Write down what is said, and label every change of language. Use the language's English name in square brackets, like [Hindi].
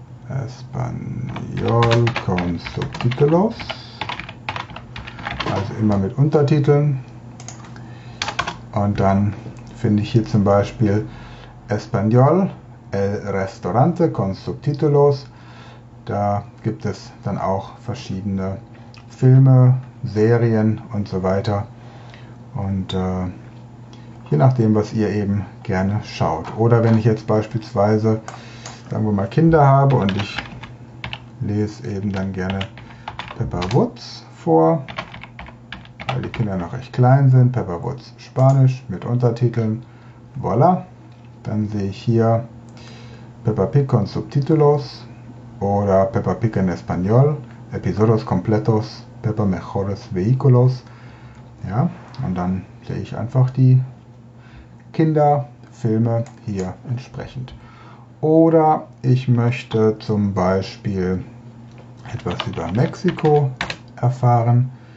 [Spanish] Español con subtítulos. [German] Also immer mit Untertiteln. Und dann finde ich hier zum Beispiel [Spanish] Español, el restaurante con subtítulos. [German] Da gibt es dann auch verschiedene Filme, Serien und so weiter. Und je nachdem, was ihr eben gerne schaut. Oder wenn ich jetzt beispielsweise, sagen wir mal, Kinder habe und ich lese eben dann gerne Peppa Woods vor, weil die Kinder noch recht klein sind, Peppa Woods Spanisch mit Untertiteln, voila. Dann sehe ich hier [Spanish] Peppa Pig con Subtítulos [German] oder [Spanish] Peppa Pig en Español, Episodios completos, Peppa Mejores Vehículos. [German] Ja, und dann sehe ich einfach die Kinderfilme hier entsprechend. Oder ich möchte zum Beispiel etwas über Mexiko erfahren.